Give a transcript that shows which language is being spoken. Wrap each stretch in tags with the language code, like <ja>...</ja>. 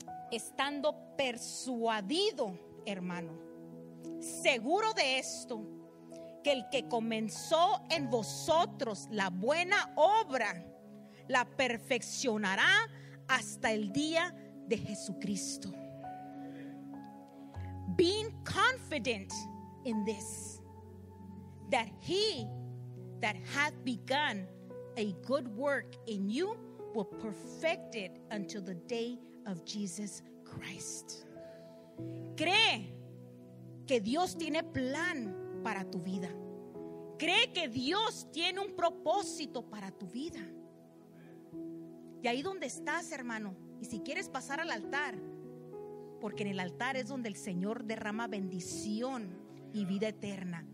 <es>Estando persuadido, hermano, seguro de esto, que el que comenzó en vosotros la buena obra la perfeccionará hasta el día de Jesucristo.</es> <en>Being confident in this, that he that hath begun a good work in you will perfect it until the day of Jesus Christ.</en> <es>Cree que Dios tiene plan para tu vida. Cree que Dios tiene un propósito para tu vida. Y ahí donde estás, hermano, y si quieres pasar al altar, porque en el altar es donde el Señor derrama bendición y vida eterna.</es>